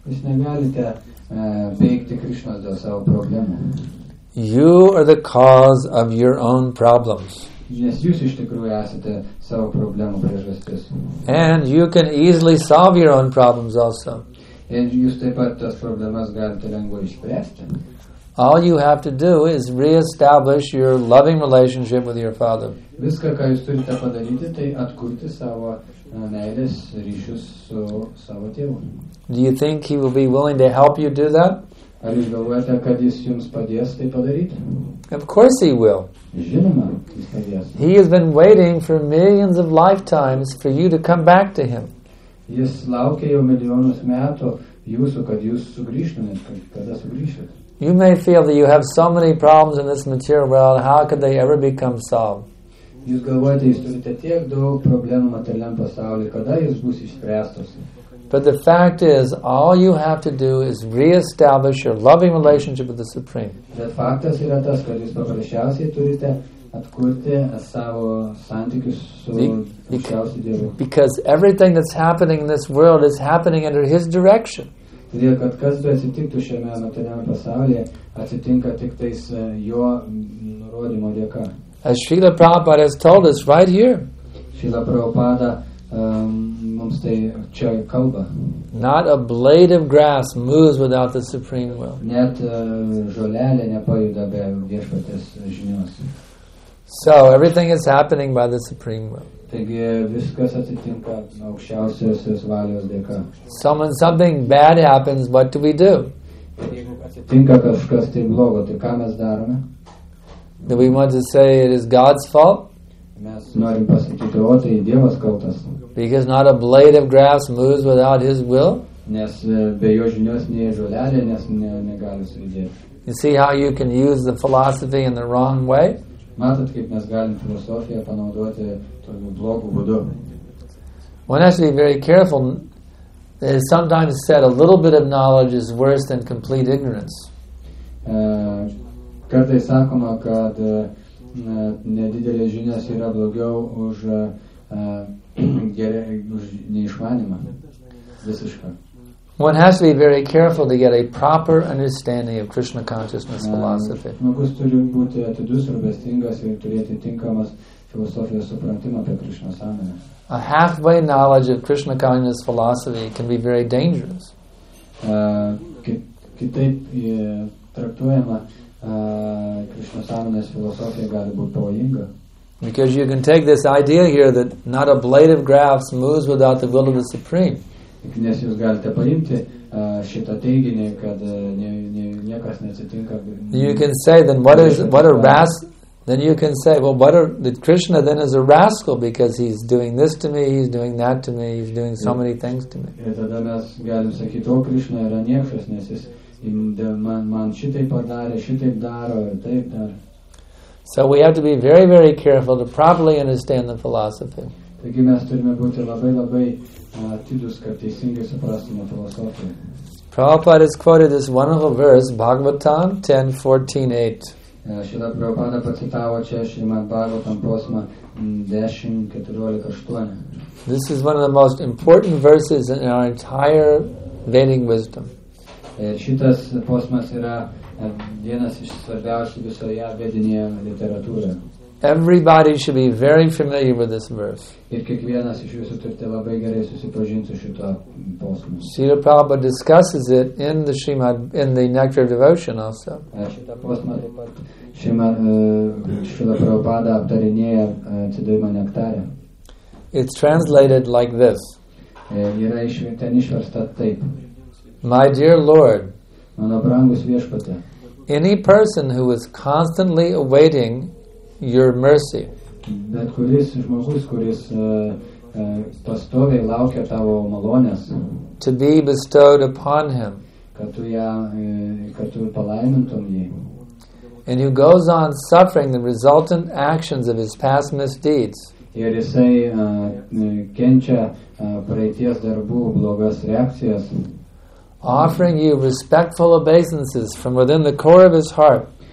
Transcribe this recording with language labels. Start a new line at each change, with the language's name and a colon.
Lithuanian: Jūs negalite peikti Krishna dėl savo problemų.
English: You are the cause of your own problems.
Lithuanian: Nes jūs iš tikrųjų esate savo problemų priežastis.
English: And you can easily solve your own problems also.
Lithuanian: Ir jūs taip pat tas problemas galite lengvai išspręsti.
English: All you have to do is reestablish your loving relationship with your father.
Lithuanian: Viską, ką jūs turite padaryti, tai atkurti savo meilės ryšius su savo tėvu.
English: Do you think he will be willing to help you do that?
Lithuanian: Ar jūs galvojate, kad jis jums padės tai padaryti?
English: Of course he will.
Lithuanian: Žinoma, jis padės.
English: He has been waiting for millions of lifetimes for you to come back to him.
Lithuanian: Jis laukė jau milijonus metų jūsų, kad jūs sugrįžtumėt, kada sugrįžtumėt.
English: You may feel that you have so many problems in this material world, how could they ever become solved?
Lithuanian: Jūs galvojate, jūs turite tiek daug problemų materialiam pasaulyje, kada jūs bus išspręstos?
English: But the fact is, all you have to do is reestablish your loving relationship with the Supreme.
Lithuanian: Bet faktas yra tas, kad jūs paprasčiausiai turite atkurti savo santykius su aukščiausiu Dievu.
English: Because everything that's happening in this world is happening under his direction.
Lithuanian: Todėl, kad kas be atsitiktų šiame materialiame pasaulyje, atsitinka tik tais jo nurodymo dėka.
English: As Srila Prabhupada has told us right here.
Lithuanian: Srila Prabhupada mums tai čia kalba.
English: Not a blade of grass moves without the supreme will.
Lithuanian: Net žolelė nepajuda be viešpatės žinios.
English: So everything is happening by the supreme will.
Lithuanian: Taigi viskas atsitinka aukščiausiosios valios dėka.
English: So when something bad happens, what do we do?
Lithuanian: Atsitinka kažkas tai blogo, tai ką mes darome?
English: Do we want to say it is God's fault?
Lithuanian: Mes norim pasakyti, o tai Dievas kaltas.
English: Because not a blade of grass moves without his will?
Lithuanian: Nes be jo žinios nei žolelė nes negali sujudėti.
English: You see how you can use the philosophy in the wrong way?
Lithuanian: Matot, kaip mes galim filosofiją panaudoti tokiu blogu būdu.
English: One has to be very careful. It is sometimes said a little bit of knowledge is worse than complete ignorance.
Lithuanian: Kartais sakoma, kad nedidelės žinios yra blogiau už neišmanimą visišką.
English: One has to be very careful to get a proper understanding of Krishna consciousness philosophy.
Lithuanian: Žmogus turi būti atidus, rūpestingas ir turėti tinkamas filosofijos supratimą apie Krishna sąmonę.
English: A halfway knowledge of Krishna consciousness philosophy can be very dangerous.
Lithuanian: Kitaip traktuojama Krishna sąmonės filosofija gali būti pavojinga.
English: Because you can take this idea here that not a blade of grass moves without the will of the Supreme.
Lithuanian: Nes jūs galite paimti šitą teiginį, kad niekas neatsitinka.
English: You can say then that Krishna then is a rascal because he's doing this to me, he's doing that to me, he's doing so many things to me.
Lithuanian: Ir tada mes galim sakyti, o Krishna yra niekšas, nes jis man šitai padarė, šitaip daro ir taip daro.
English: So we have to be very, very careful to properly understand the philosophy.
Lithuanian: Taigi mes turime būti labai atidus, kad teisingai suprastume filosofiją.
English: Prabhupada has quoted this wonderful verse, Bhagavatam 10:14:8.
Lithuanian: Šitą Prabhupada pacitavo čia Šrimad Bhagavatam posmą 10:14:8.
English: This is one of the most important verses in our entire Vedic wisdom.
Lithuanian: Šitas posmas yra vienas iš svarbiausių visoje vedinėje literatūroje.
English: Everybody should be very familiar with this verse.
Lithuanian: Ir kiekvienas iš jūsų turite labai gerai susipažinti su šituo posmu.
English: Srila Prabhupada discusses it in the Srimad, in the Nectar of Devotion also.
Lithuanian: Šitą posmą taip pat Srila Prabhupada aptarinėja atsidavimo nektare.
English: It's translated like this.
Lithuanian: Yra ten išversta taip.
English: My dear Lord,
Lithuanian: mano brangus viešpatė,
English: any person who is constantly awaiting your mercy,
Lithuanian: bet kuris žmogus, kuris pastoviai laukia tavo malonės,
English: to be bestowed upon him,
Lithuanian: kad tu palaimintum jį,
English: and who goes on suffering the resultant actions of his past misdeeds,
Lithuanian: ir jisai kenčia praeities darbų blogas reakcijas,
English: offering you respectful obeisances from within the core of his heart,